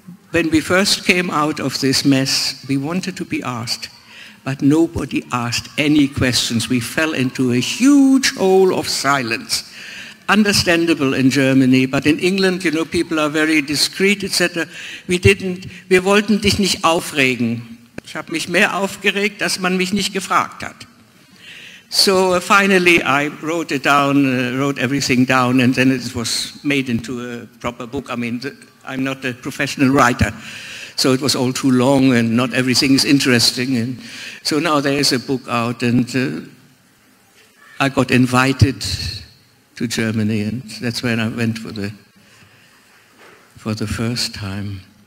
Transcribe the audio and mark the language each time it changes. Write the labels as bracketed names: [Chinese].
[English] When we first came out of this mess, we wanted to be asked, but nobody asked any questions. We fell into a huge hole of silence. Understandable in Germany, but in England, you know, people are very discreet, etc. [German] Wir wollten dich nicht aufregen. Ich habe mich mehr aufgeregt, dass man mich nicht gefragt hat. [English] So finally, I wrote it down, wrote everything down, and then it was made into a proper book. I mean, I'm not a professional writer, so it was all too long, and not everything is interesting. And so now there is a book out, and I got invited to Germany, and that's when I went for the first time.